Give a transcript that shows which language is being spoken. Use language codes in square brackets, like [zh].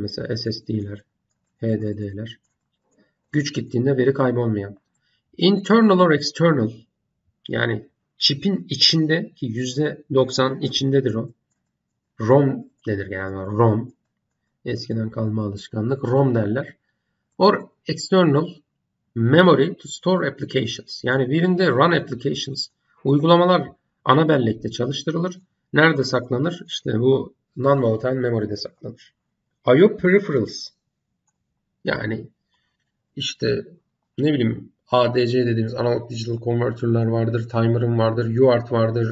[tr] Mesela SSD'ler, HDD'ler. Güç gittiğinde veri kaybolmayan. [en] Internal or external, [tr] yani çipin içindeki %90 içindedir o. ROM denir genelde, ROM. Eskiden kalma alışkanlık. ROM derler. [en] Or external memory to store applications. [tr] Yani birinde [en] run applications. [tr] Uygulamalar ana bellekte çalıştırılır. Nerede saklanır? İşte bu non-volatile memory'de saklanır. I/O peripherals. Yani işte ne bileyim ADC dediğimiz analog digital converter'lar vardır. Timer'ın vardır. UART vardır.